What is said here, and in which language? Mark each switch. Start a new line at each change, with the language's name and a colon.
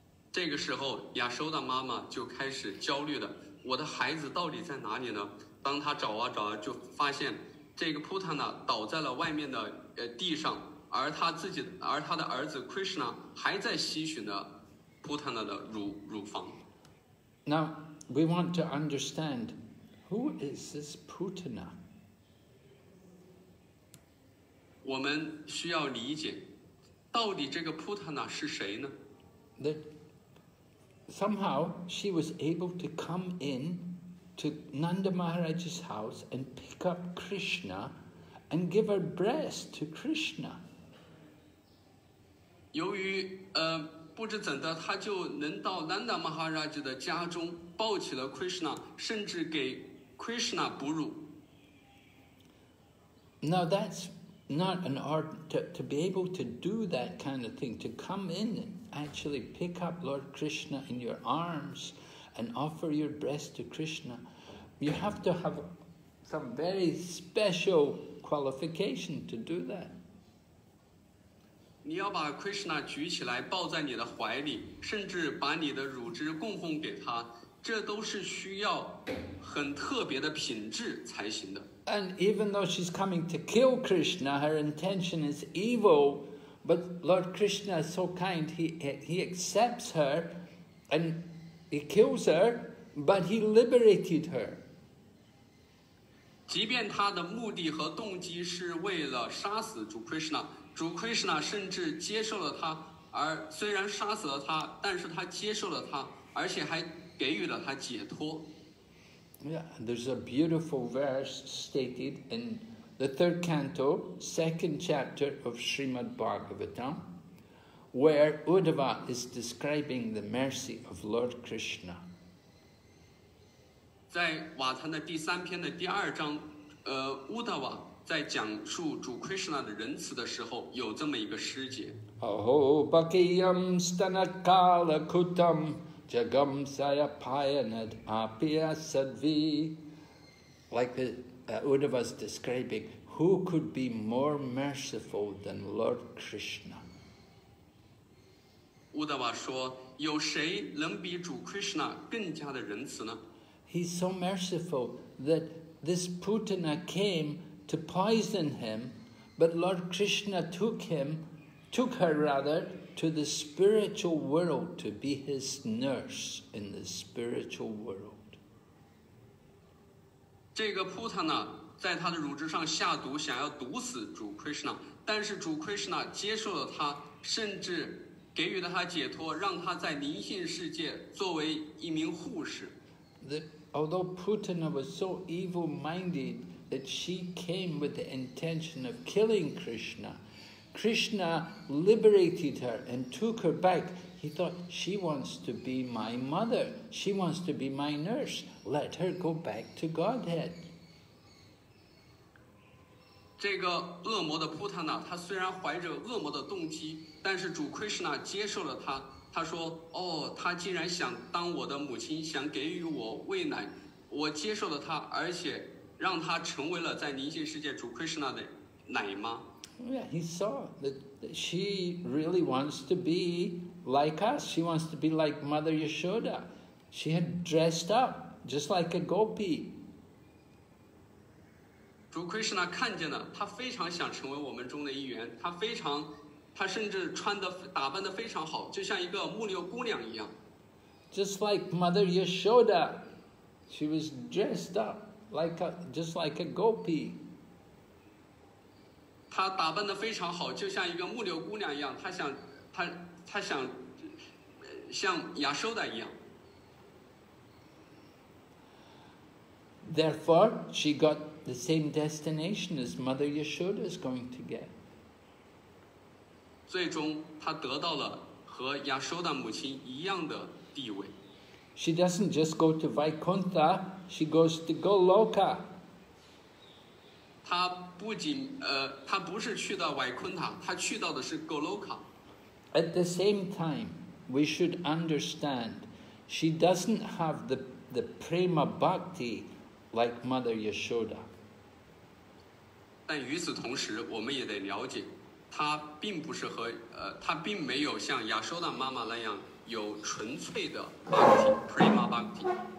Chinese: 这个时候，亚修达妈妈就开始焦虑的，我的孩子到底在哪里呢？当她找啊找啊，就发现这个 Putana 倒在了外面的地上，而她的儿子 Krishna 还在吸吮的 Putana 的乳房。
English: Now we want to understand. Who is this Putana?
Chinese: 我们需要理解，到底这个 Putana 是谁呢？
English: That somehow she was able to come in to Nanda Maharaj's house and pick up Krishna and give her breast to Krishna.
Chinese: 由于不知怎的，她就能到 Nanda Maharaj 的家中抱起了 Krishna， 甚至给Krishna 哺乳。
English: Now that's not an art to be able to do that kind of thing, to come in and actually pick up Lord Krishna in your arms and offer your breast to Krishna. You have to have some very special qualification to do that.
Chinese: 你要把 Krishna 举起来抱在你的怀里，甚至把你的乳汁供奉给他，这都是需要很特别的品质才行的。
English: And even though she's coming to kill Krishna, her intention is evil, but Lord Krishna is so kind, he accepts her and he kills her, but he liberated her.
Chinese: 即便她的目的和动机是为了杀死主 Krishna, 主 Krishna 甚至接受了她，而虽然杀死了她，但是她接受了她，而且还给予了她解脱。
English: Yeah, there's a beautiful verse stated in the third canto, second chapter of Srimad Bhagavatam, where Uddhava is describing the mercy of Lord Krishna.
Chinese: 在瓦坦的第三篇的第二章，Uddhava 在讲述主 Krishna 的仁慈的时候，有这么一个诗节。
Sanskrit: Aho bhakiyam stanakala kutam. Jagam saya payanad apya sadvi.
English: Like Uddhava is describing, who could be more merciful than Lord Krishna?
Chinese: Uddhava 说，有谁能比主 Krishna 更加的仁慈呢？
English: He's so merciful that this Putana came to poison him, but Lord Krishna took her to the spiritual world to be his nurse in the spiritual world.
Chinese: 这个 Putana 在他的乳汁上下毒，想要毒死主 Krishna， 但是主 Krishna 接受了他，甚至给予了他解脱，让他在灵性世界作为一名护士。
English: Although Putana was so evil-minded that she came with the intention of killing Krishna,Krishna liberated her and took her back. He thought, she wants to be my mother. She wants to be my nurse. Let her go back to Godhead.
Chinese: 这个恶魔的普塔纳，他虽然怀着恶魔的动机，但是主 Krishna 接受了他。他说：“哦，他竟然想当我的母亲，想给予我喂奶，我接受了他，而且让他成为了在灵性世界主 Krishna 的奶妈。”
English: Yeah, he saw that she really wants to be like us. She wants to be like Mother Yashoda. She had dressed up just like a gopi.
Chinese: 主 Krishna 看见了，他非常想成为我们中的一员。他非常，他甚至穿的打扮的非常好，就像一个牧牛姑娘一样。
English: Just like Mother Yashoda, she was dressed up like a, just like a gopi.
Chinese: 他打扮的非常好，就像一个牧牛姑娘一样。他想像亚修达一样。
English: Therefore, she got. The same destination as Mother Yashoda is going to get.
Chinese: 最终她得到了和亚修达母亲一样的地位。
English: She doesn't just go to Vaikuntha, she goes to Goloka.
Chinese: 她不仅她不是去到 Vaikuntha, 她去到的是 Goloka.
English: At the same time, we should understand, she doesn't have the prema bhakti like Mother Yashoda.
Chinese: 但与此同时，我们也得了解，她并不是和她并没有像亚修达妈妈那样有纯粹的 bhakti prema bhakti。